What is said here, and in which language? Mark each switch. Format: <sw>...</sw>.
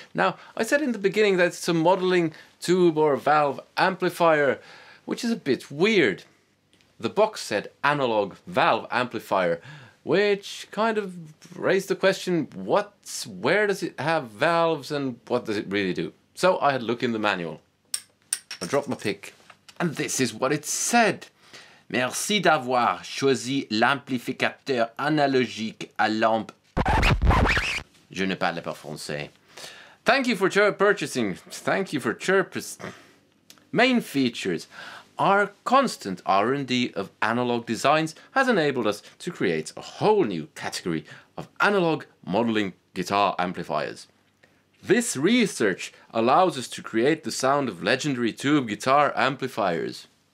<en>Now, I said in the beginning that it's a modeling tube or valve amplifier, which is a bit weird. The box said analog valve amplifier, which kind of raised the question, where does it have valves and what does it really do? So I had a look in the manual. I dropped my pick. And this is what it said.</en> <fr>Merci d'avoir choisi l'amplificateur analogique à lampe. Je ne parle pas français.</fr> <en>Thank you for purchasing. Thank you for chirping. Main features. Our constant R&D of analog designs has enabled us to create a whole new category of analog modeling guitar amplifiers. This research allows us to create the sound of legendary tube guitar amplifiers.</en>